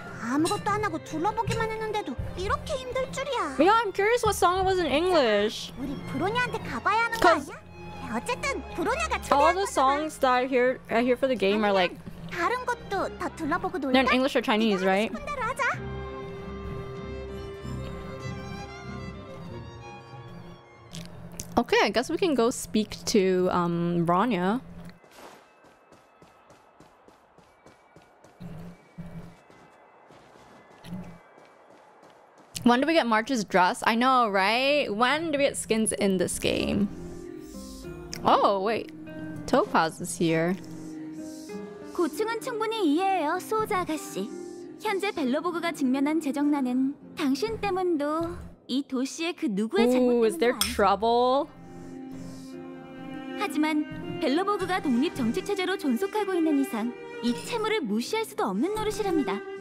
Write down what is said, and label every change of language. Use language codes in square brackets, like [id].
[ko] 아무것도 안 하고 둘러보기만 했는데도 이렇게 힘들 줄이야. [en] Yeah, I'm curious what song it was in English. [ko] 우리 브로냐한테 가봐야 하는 거 아니야? 어쨌든 브로냐가 초대한 거잖아. [en] All the songs that I hear for the game are like [ko] 다른 것도 더 둘러보고 놀까? [en] They're in English or Chinese, right? [ko] 하자. [en] Okay, I guess we can go speak to Bronya. When do we get March's dress? I know, right? When do we get skins in this game? Oh, wait. Topaz is here. [ko] 고충은 충분히 이해해요, 소호자 아가씨. 현재 벨로보그가 직면한 재정난은 당신 때문도 이 도시의 그 누구의 잘못 때문도 아니죠. [en] Is there trouble? [ko] 하지만 벨로보그가 독립 정치 체제로 존속하고 있는 이상 이 채무를 무시할 수도 없는 노릇이랍니다.